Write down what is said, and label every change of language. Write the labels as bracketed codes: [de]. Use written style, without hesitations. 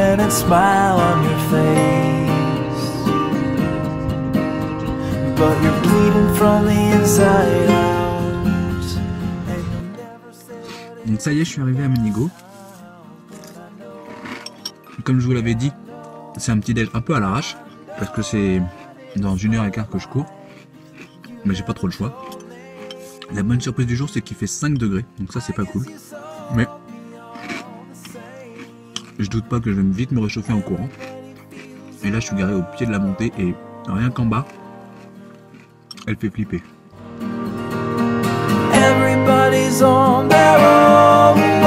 [en] Smile on your face, but you're bleeding from the inside out. [fr] Donc ça y est, je suis arrivé à Manigot. Comme je vous l'avais dit, c'est un petit déj un peu à l'arrache parce que c'est dans 1h15 que je cours, mais j'ai pas trop le choix. La bonne surprise du jour, c'est qu'il fait 5 degrés, donc ça c'est pas cool, mais je doute pas que je vais vite me réchauffer en courant. Et là, je suis garé au pied de la montée et rien qu'en bas, elle fait flipper. [en] Everybody's on their own.